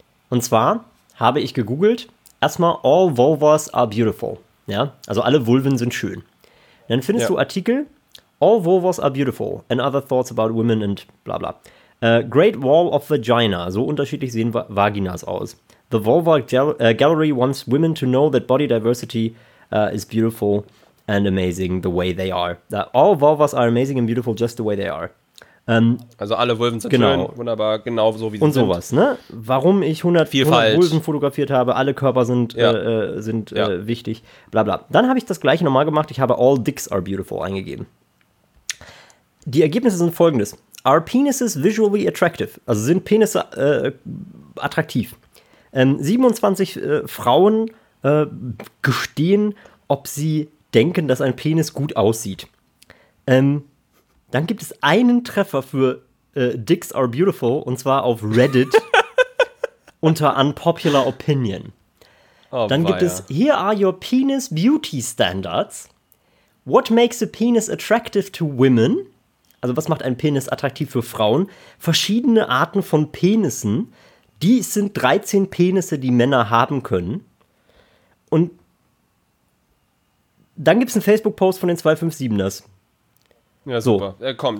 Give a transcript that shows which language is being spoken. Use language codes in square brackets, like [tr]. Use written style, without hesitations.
[de] Und zwar habe ich gegoogelt, erstmal, [en] all vulvas are beautiful. [de] Ja, also alle Vulven sind schön. Dann findest du Artikel, [en] all vulvas are beautiful and other thoughts about women [de] and bla bla. [en] Great wall of vagina, [de] so unterschiedlich sehen Vaginas aus. [en] The Vulva Gallery wants women to know that body diversity is beautiful and amazing the way they are. That all vulvas are amazing and beautiful just the way they are. [de] Also alle Vulven sind schön, wunderbar, genau so wie sie sind. Und sowas, ne? Warum ich 100 Vulven fotografiert habe, alle Körper sind, wichtig, bla bla. Dann habe ich das gleiche nochmal gemacht, ich habe [en] all dicks are beautiful [de] eingegeben. Die Ergebnisse sind folgendes. [en] Are penises visually attractive? [de] Also sind Penisse attraktiv? 27 Frauen gestehen, ob sie denken, dass ein Penis gut aussieht. Dann gibt es einen Treffer für [en] Dicks are beautiful, [de] und zwar auf Reddit unter Unpopular Opinion. Oh, dann gibt es [en] Here are your penis beauty standards. What makes a penis attractive to women? [de] Also, was macht ein Penis attraktiv für Frauen? Verschiedene Arten von Penissen. Die sind 13 Penisse, die Männer haben können. Und dann gibt es einen Facebook-Post von den 257ers. Ja, super. Komm.